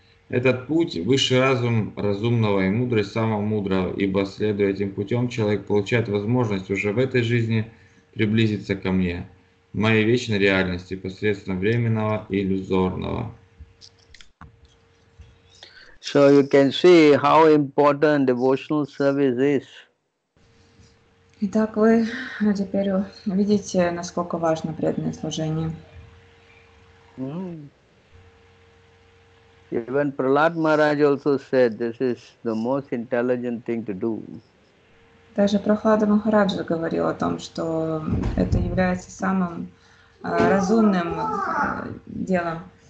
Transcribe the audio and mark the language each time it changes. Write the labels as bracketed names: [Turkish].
[Russian] Этот путь – высший разум разумного и мудрость самого мудрого, ибо, следуя этим путем, человек получает возможность уже в этой жизни приблизиться ко мне, моей вечной реальности, посредством временного и иллюзорного. [English] So you can see how important devotional service is. [Russian] Итак, вы теперь видите, насколько важно преданное служение. [English] Even Prahlad Maharaj also said this is the most intelligent thing to do. [Russian] Даже Прохлада Махараджа говорил о том, что это является самым разумным делом.